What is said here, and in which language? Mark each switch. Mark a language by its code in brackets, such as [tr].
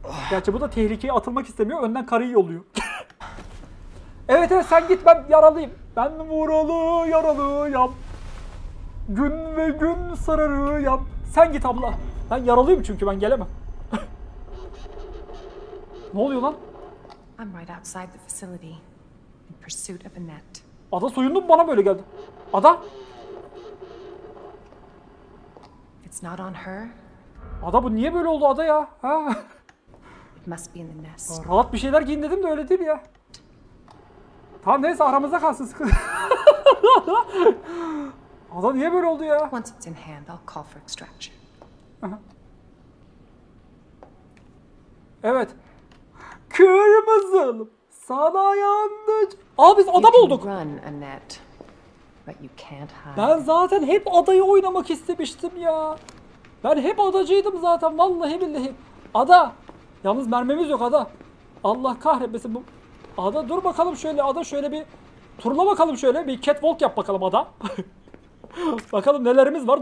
[tr] Gerçi bu da tehlikeye atılmak istemiyor. Önden karıyı yolluyor. Evet evet sen git ben yaralıyım. Ben vuralı yaralıyım. Gün ve gün sararıyım. Sen git abla. Ben yaralıyım çünkü ben gelemem. Ne oluyor lan? [en] I'm right outside the facility in pursuit of Annette. [tr] Ada soyundu mu bana böyle geldi? Ada? [en] It's not on her. [tr] Ada bu niye böyle oldu ada ya? Ha? [en] It must be in the nest. [tr] Rahat bir şeyler giyin dedim de öyle değil ya. Tamam neyse aramızda kalsın sıkı. Ada niye böyle oldu ya? [en] Once it's in hand, I'll call for extraction. [tr] Evet. Kırmızılım. Sana yandıç. Aa biz ada bulduk. [en] Run, Annette, but you can't hide. [tr] Ben zaten hep adayı oynamak istemiştim ya. Ben hep adacıydım zaten. Vallahi billahi. Ada. Yalnız mermimiz yok ada. Allah kahretmesin bu. Ada dur bakalım şöyle ada şöyle bir turla bakalım şöyle bir catwalk yap bakalım ada. Bakalım nelerimiz var.